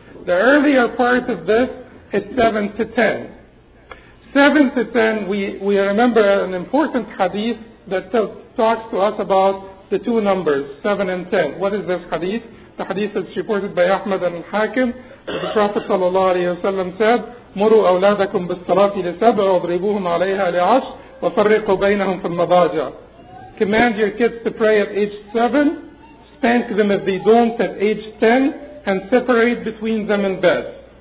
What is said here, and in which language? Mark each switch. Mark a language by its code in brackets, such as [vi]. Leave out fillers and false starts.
[en] The earlier part of this is 7 to 10. 7 to 10, we remember an important hadith that talks to us about the two numbers, 7 and 10. What is this hadith? The hadith is reported by Ahmad and Hakim. The Prophet ﷺ said, [ar] مروا أولادكم بالصلاة لسبع وضربوهم عليها لعشر وفرقوا بينهم في المضاجع. [en] Command your kids to pray at age 7, spank them if they don't at age 10, and separate between them in bed.